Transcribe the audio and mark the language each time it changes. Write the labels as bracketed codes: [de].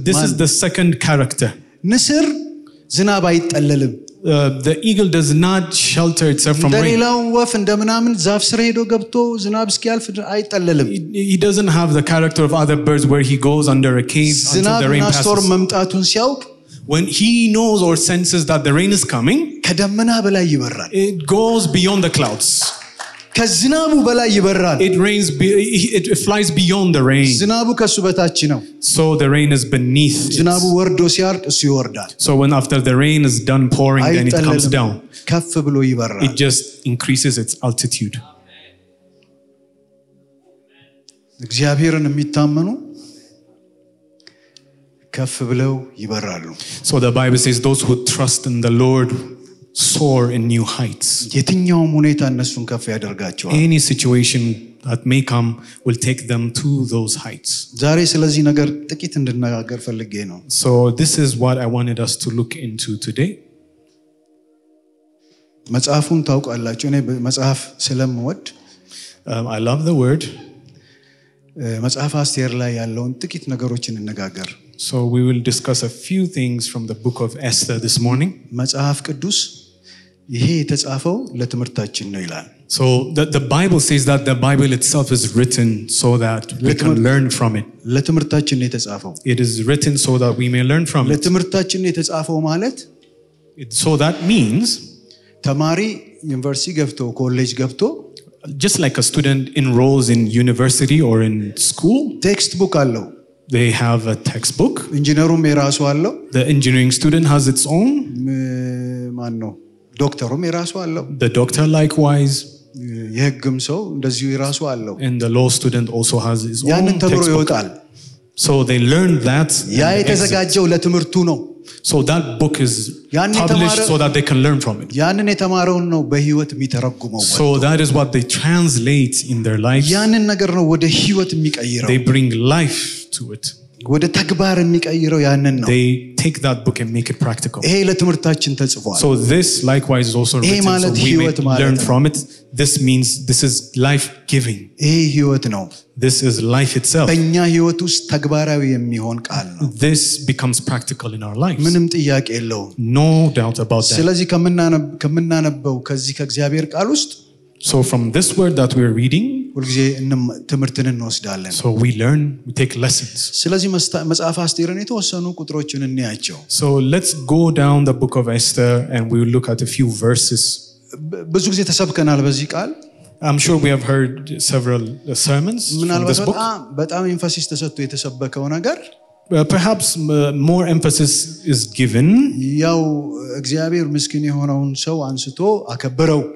[en] this is the second character [am] ንስር ዝናብ አይጠለልም [en] the eagle does not shelter itself from rain [am] ደሌላው ወፍ እንደምናምን ዛፍ ስር ሄዶ ገብቶ ዝናብ እስኪያልፍ አይጠለልም [en] he doesn't have the character of other birds where he goes under a cave until the rain passes [am] ዝናብ መምጣቱን ሲያውቅ [en] when he knows or senses that the rain is coming [am] ከደመና በላይ ይበራል [en] it goes beyond the clouds [am] ከዝናቡ በላይ ይበራል [en] it rains it flies beyond the rain [am] ዝናቡ ከሱ በታች ነው [en] so the rain is beneath [am] ዝናቡ ወርዶ ሲያርቅ እሱ ይወርዳል [en] so when after the rain is done pouring then it comes down [am] ከፍ ብሎ ይበራል [en] it just increases its altitude [am] እግዚአብሔርን የሚታመኑ ከፍ ብለው ይበራሉ [en] so the bible says those who trust in the lord soar in new heights [am] የትኛውም ሁኔታ እነሱን ከፍ ያደርጋቸዋል [en] any situation that may come will take them to those heights [am] ዛሬ ስለዚህ ነገር ጥቂት እንድንነጋገር ፈልጌ ነው [en] so this is what I wanted us to look into today [am] መጽሐፉን ታውቃላችሁ እኔ መጽሐፍ ስለምወድ [en] I love the word [am] መጽሐፍ አስቴር ላይ ያለውን ጥቂት ነገሮችን እንነጋገር [en] So we will discuss a few things from the book of Esther this morning. [am] መጽሐፍ ቅዱስ ይሄ የተጻፈው ለትምርታችን ነው ይላል. [en] So the Bible says that the Bible itself is written so that we can learn from it. [am] ለትምርታችን ነው የተጻፈው. [en] It is written so that we may learn from it. [am] ለትምርታችን ነው የተጻፈው ማለት [en] so that means [am] ተማሪ ዩኒቨርሲቲ ገብቶ ኮሌጅ ገብቶ [en] just like a student enrolls in university or in school [am] textbook አለው. [en] They have a textbook. [am] ኢንጂነሩም የራሱ አለው. [en] The engineering student has its own. [am] ማኖ ዶክተሩም የራሱ አለው. [en] The doctor likewise. [am] የህግም ሰው እንደዚሁ የራሱ አለው. [en] And the law student also has his own [am] textbook. ያንን ተምሮ ይወጣል. [en] So they learn that. [am] ያ የተዘጋጀው ለትምርቱ ነው. [en] So that book is published so that they can learn from it. [am] ያንን የተማረውን ነው በህይወት የሚተረጉመው. [en] So that is what they translate in their lives. [am] ያንን ነገር ነው ወደ ህይወት የሚቀይረው. [en] They bring life to it. [am] ወደ ተግባር የሚቀይረው ያንን ነው. [en] They take that book and make it practical. [am] ይሄ ለትምርታችን ተጽፏል. [en] So this likewise is also written so we may learn from it. This means this is life-giving. [am] ይሄ ህይወት ነው. [en] This is life itself. [am] በእኛ ህይወት ውስጥ ተግባራዊ የሚሆን ቃል ነው. [en] This becomes practical in our lives. [am] ምንም ጥያቄ የለው. [en] No doubt about that. [am] ስለዚህ ከምናነበው ከዚህ ከእግዚአብሔር ቃል ውስጥ [en] So from this word that we are reading [am] ወልጊዜ ትምርትን እንወስዳለን [en] so we learn we take lessons [am] ስለዚህ መጽሐፍ አስቴርን የተወሰኑ ቁጥሮችን እናያቸው [en] so let's go down the book of Esther and we will look at a few verses [am] ብዙ ጊዜ ተሰብከናል በዚህ ቃል [en] I'm sure we have heard several sermons [am] ምናልባት [en] this book [am] በጣም ኤምፋሲስ ተሰጥቶ የተሰበከው ነገር [en] perhaps more emphasis is given [am] ያው እግዚአብሔር ምስኪን የሆነውን ሰው አንስቶ አከበረው